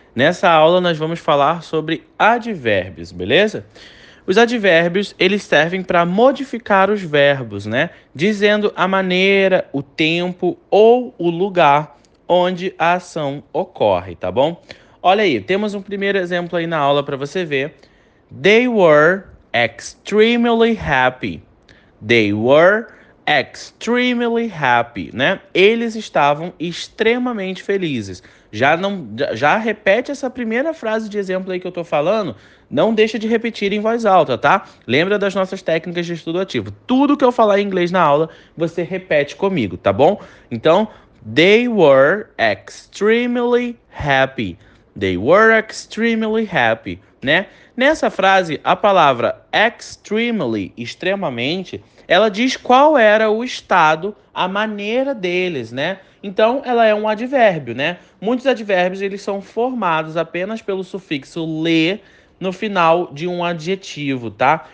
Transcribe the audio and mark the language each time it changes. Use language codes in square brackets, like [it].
[pt] Nessa aula nós vamos falar sobre advérbios, beleza? Os advérbios, eles servem para modificar os verbos, né? Dizendo a maneira, o tempo ou o lugar onde a ação ocorre, tá bom? Olha aí, temos um primeiro exemplo aí na aula para você ver. [en] They were extremely happy. They were extremely happy, né? [pt] Eles estavam extremamente felizes. Já não, já repete essa primeira frase de exemplo aí que eu tô falando. Não deixa de repetir em voz alta, tá? Lembra das nossas técnicas de estudo ativo. Tudo que eu falar em inglês na aula, você repete comigo, tá bom? [en] Então, they were extremely happy. They were extremely happy, né? [pt] Nessa frase, a palavra extremely, extremamente, ela diz qual era o estado, a maneira deles, né? Então, ela é um advérbio, né? Muitos advérbios, eles são formados apenas pelo sufixo le no final de um adjetivo, tá?